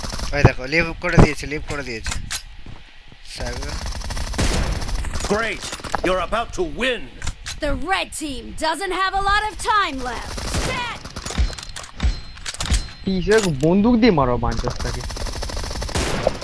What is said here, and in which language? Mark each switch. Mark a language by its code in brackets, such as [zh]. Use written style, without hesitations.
[hi] भाई देखो लीप कर दिए चल, लीप कर दिए चल। सागर। [en] Great. You're about to win. The red team doesn't have a lot of time left. [hi] पीछे को बंदूक दे मारो मैनचेस्टर के।